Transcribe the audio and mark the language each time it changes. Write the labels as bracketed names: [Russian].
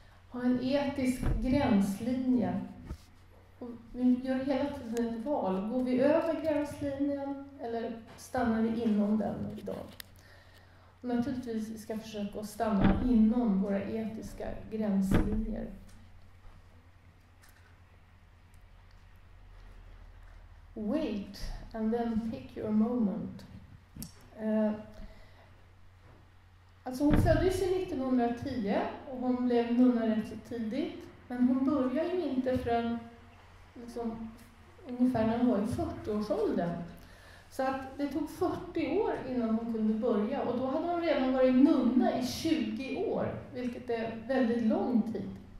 [Swedish] Ha en etisk gränslinje. Och vi gör hela tiden ett val. Går vi över gränslinjen eller stannar vi inom den idag? Naturligtvis ska vi försöka stanna inom våra etiska gränslinjer. [English] Wait and then pick your moment. [Swedish] Alltså hon föddes i 1910 och hon blev nunna rätt så tidigt. Men hon började ju inte förrän liksom, ungefär när hon var i 40-årsåldern. Så att det tog 40 år innan hon kunde börja och då hade hon redan varit nunna i 20 år, vilket är väldigt lång tid.